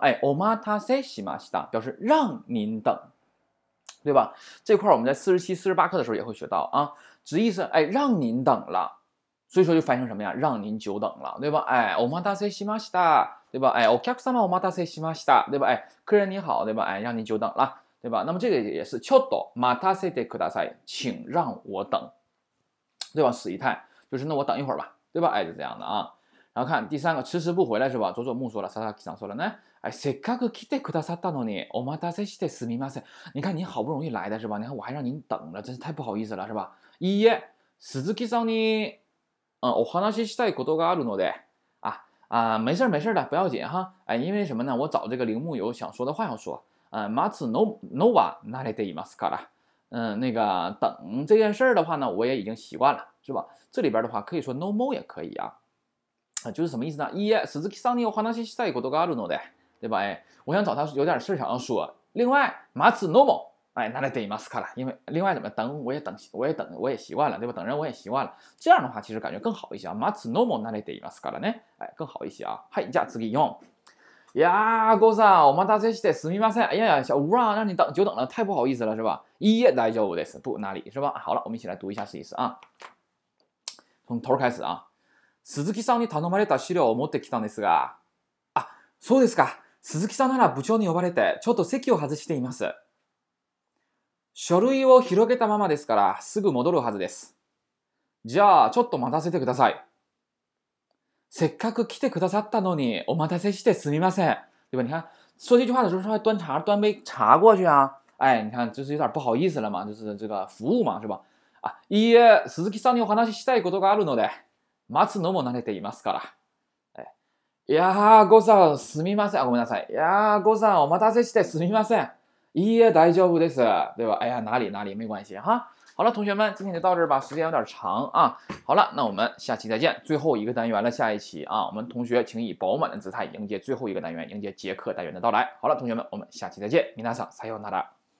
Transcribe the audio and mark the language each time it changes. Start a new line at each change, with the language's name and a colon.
Chinese: 哎，
Japanese: お待たせしました，
Chinese: 表示让您等，对吧？这块我们在47、48课的时候也会学到啊，直译是哎让您等了，所以说就翻译成什么呀？让您久等了，对吧？哎，
Japanese: お待たせしました，
Chinese: 对吧？哎，
Japanese: お客様お待たせしました，
Chinese: 对吧？哎，客人你好，对吧？哎，让您久等了。对吧？那么这个也是
Japanese: ちょっと待たせてください，
Chinese: 请让我等，对吧？使役态就是那我等一会儿吧，对吧？哎，是这样的啊。然后看第三个，迟迟不回来是吧？佐佐木说了，佐々木さん说了呢。
Japanese: 哎，せっかく来てくださったのに、お待たせしてすみません。
Chinese: 你看你好不容易来的是吧？你看我还让您等着，真是太不好意思了是吧？
Japanese: いいえ、鈴木さんに、お話ししたいことがあるので。
Chinese: 啊，没事没事的，不要紧哈。哎，因为什么呢？我找这个铃木有想说的话要说。
Japanese: マツノノは慣れていますから，
Chinese: 那个等这件事儿的话呢，我也已经习惯了，是吧？这里边的话可以说 no more 也可以啊，就是什么意思呢？
Japanese: いや、鈴木さんにお話ししたいことがあるので，
Chinese: 对吧？哎，我想找他有点事想要说。另外，
Japanese: マツノも哎慣れていますから，
Chinese: 因为另外怎么等我也等我也等我也习惯了，对吧？等人我也习惯了，这样的话其实感觉更好一些啊。
Japanese: マツノも慣れていますからね，
Chinese: 哎更好一些啊。
Japanese: はい、じゃあ次4。いやー、ごさん、お待たせしてすみません。
Chinese: いやいや、小吴啊，让你等久等了，太不好意思了，是吧？
Japanese: いや、大丈夫です。
Chinese: 不哪里，是吧？好了，我们一起来读一下试一试啊。从头开始啊。
Japanese: 鈴木さんに頼まれた資料を持ってきたんですが、あ、そうですか。鈴木さんなら部長に呼ばれて、ちょっと席を外しています。書類を広げたままですから、すぐ戻るはずです。じゃあ、ちょっと待たせてください。せっかく来てくださったのにお待たせしてすみません。
Chinese: 对吧？你看，说这句话的时候，说端茶端杯茶过去啊，哎，你看就是有点不好意思了嘛，就是这个服务嘛，是吧？
Japanese: 啊，いいえ、鈴木さんにお話ししたいことがあるので、待つのも慣れていますから。いやー、ごさん、すみません。あ、ごめんなさい。いやー、ごさん、お待たせしてすみません。いいえ、大丈夫です。
Chinese: 对吧？哎呀，哪里哪里，没关系哈。好了，同学们，今天就到这儿吧，时间有点长啊。好了，那我们下期再见，最后一个单元了，下一期啊，我们同学请以饱满的姿态迎接最后一个单元，迎接结课单元的到来。好了，同学们，我们下期再见，
Japanese: 皆さん、さようなら。